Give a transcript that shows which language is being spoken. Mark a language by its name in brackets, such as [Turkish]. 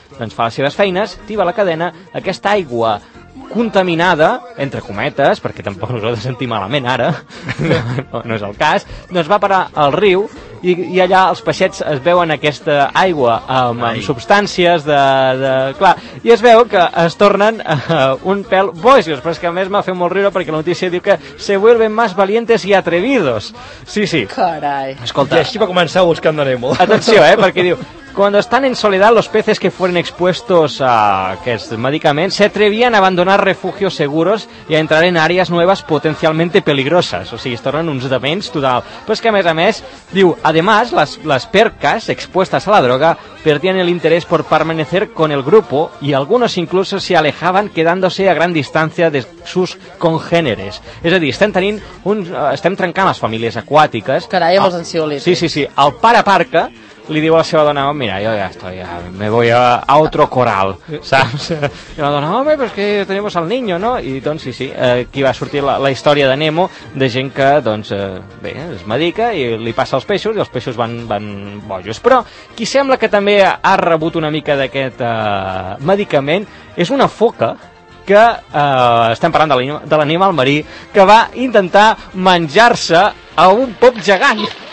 [Catalan] Doncs fa les seves feines, tiba la cadena, aquesta aigua contaminada, entre cometes, perquè tampoc us ho heu de sentir malament ara, no és el cas, doncs va parar al riu i allà els peixets es veuen aquesta aigua amb substàncies de... Clar, i es veu que es tornen un pèl bojos, però és que a més m'ha fet molt riure perquè la notícia diu que [Spanish] se vuelven más valientes y atrevidos. [Catalan] Sí, sí. Carai. Escolta, i així va començar Buscando Nemo. Atenció, perquè diu... [Spanish] Cuando están en soledad, los peces que fueron expuestos a estos medicamentos se atrevían a abandonar refugios seguros y a entrar en áreas nuevas potencialmente peligrosas. [Catalan] O sigui, estaven uns demens total. [Spanish] Pues que, a més, diu, además, las percas expuestas a la droga perdían el interés por permanecer con el grupo y algunos incluso se alejaban quedándose a gran distancia de sus congéneres. [Catalan] És a dir, estem trencant les famílies aquàtiques. Carai, amb els ansiolítics. Sí. El pare parca li diu a la seva dona, mira, jo ja [Spanish] estoy, ja me voy a otro coral, [Catalan] saps? I la dona, home, [Spanish] pues que tenemos al niño, no? [Catalan] I doncs, sí, aquí va sortir la història de Nemo, de gent que, doncs, bé, es medica i li passa als peixos, i els peixos van bojos. Però qui sembla que també ha rebut una mica d'aquest medicament és una foca que, estem parlant de l'animal marí, que va intentar menjar-se a un pop gegant.